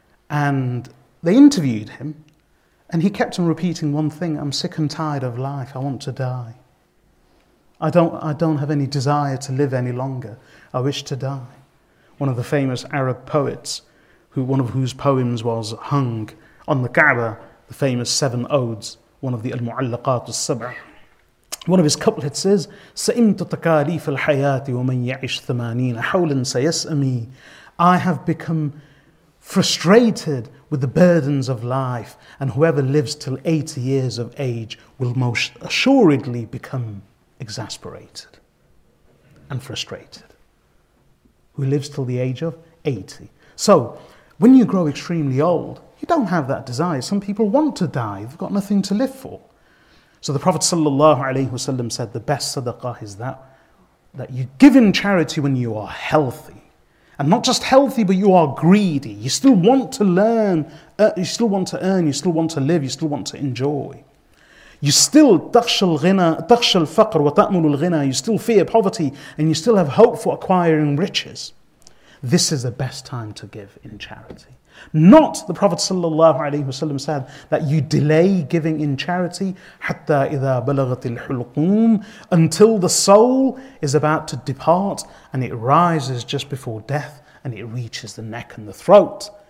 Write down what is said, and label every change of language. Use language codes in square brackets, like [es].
[en] And they interviewed him and he kept on repeating one thing: I'm sick and tired of life, I want to die. I don't have any desire to live any longer, I wish to die. One of the famous Arab poets, one of whose poems was hung on the Kaaba, the famous seven odes, one of the Al-Mu'allaqat al-Sab'ah. One of his couplets is, [ar] سَئِمْتُ تَكَالِيفَ الْحَيَاةِ وَمَنْ يَعِشْ ثَمَانِينَ حَوْلًا سَيَسْأَمِي. [en] I have become frustrated with the burdens of life, and whoever lives till 80 years of age will most assuredly become exasperated and frustrated. Who lives till the age of 80. So, when you grow extremely old, you don't have that desire. Some people want to die, they've got nothing to live for. So the Prophet ﷺ said, the best sadaqah is that you give in charity when you are healthy. And not just healthy, but you are greedy. You still want to learn, you still want to earn, you still want to live, you still want to enjoy. You still [ar] تخشى الفقر وتأمل الغنى. [en] You still fear poverty and you still have hope for acquiring riches. This is the best time to give in charity. Not, the Prophet ﷺ said, that you delay giving in charity [ar] حَتَّى إِذَا بَلَغَتِ الْحُلْقُومِ, [en] until the soul is about to depart and it rises just before death and it reaches the neck and the throat.